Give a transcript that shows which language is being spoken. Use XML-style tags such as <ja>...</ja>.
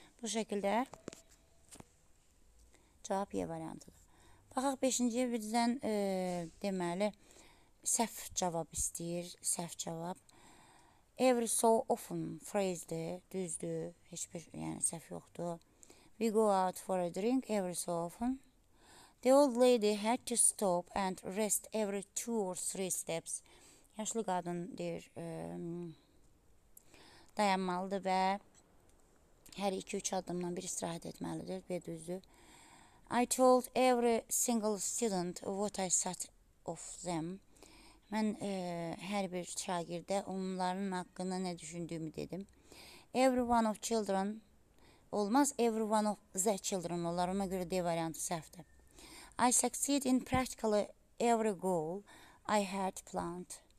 <az>Bu şəkildə cavab Y variantıdır. Baxaq 5-ci bizdən deməli səhv cavab istəyir, səhv cavab.</az> <en>Every so often</en> <az>phrase-dir, düzdür, heç bir yəni səhv yoxdur.</az> <en>We go out for a drink every so often. The old lady had to stop and rest every 2 or 3 steps.</en> <az>Yaşlı qadın deyir, dayanmalıdır və hər 2-3 addımdan bir istirahat etməlidir, bir düzdür.</az> <en>I told every single student what I thought of them.</en> <az>Mən hər bir şagirdə onların haqqında nə düşündüyümü dedim.</az> <en>Every one of children</en> <az>olmaz,</az> <en>every one of the children</en> <az>olar. Ona görə D variantı səhvdir.</az> <en>I succeed in practically every goal I had planned.</en>